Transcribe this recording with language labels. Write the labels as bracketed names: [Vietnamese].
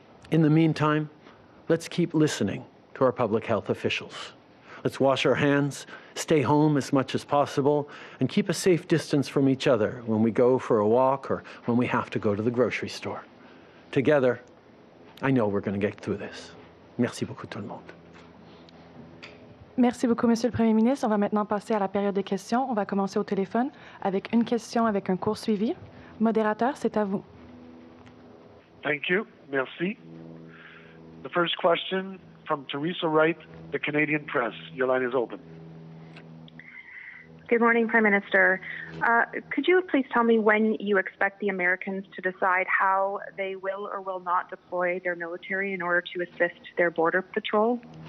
[English] In the meantime, let's keep listening to our public health officials. Let's wash our hands, stay home as much as possible, and keep a safe distance from each other when we go for a walk or when we have to go to the grocery store. Together, I know we're going to get through this. [French] Merci beaucoup, tout le monde. Merci beaucoup, Monsieur le Premier ministre. On va maintenant passer à la période des questions. On va commencer au téléphone avec une question avec un court suivi. Modérateur, c'est à vous. [English] Thank you. [French] Merci. [English] The first question from Teresa Wright, the Canadian Press. Your line is open. Good morning, Prime Minister. Could you please tell me when you expect the Americans to decide how they will or will not deploy their military in order to assist their border patrol?